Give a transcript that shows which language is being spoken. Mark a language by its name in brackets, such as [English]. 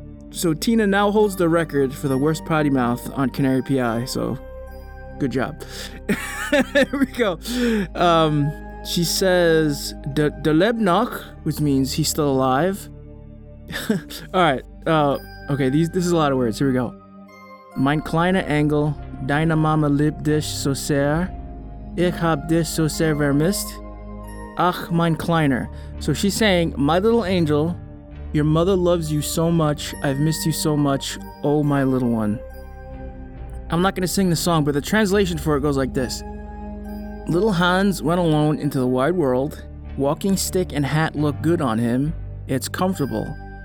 [English] So Tina now holds the record for the worst potty mouth on Canary PI, so good job. There we go. She says, de lebnach, which means he's still alive. Alright, okay, this is a lot of words. Here we go. [German] Mein kleiner Engel, deine Mama liebt dich so sehr. Ich hab dich so sehr vermisst. Ach, mein kleiner. [English] So she's saying, my little angel, your mother loves you so much. I've missed you so much. Oh, my little one. I'm not going to sing the song, but the translation for it goes like this. Little Hans went alone into the wide world. Walking stick and hat look good on him. It's comfortable.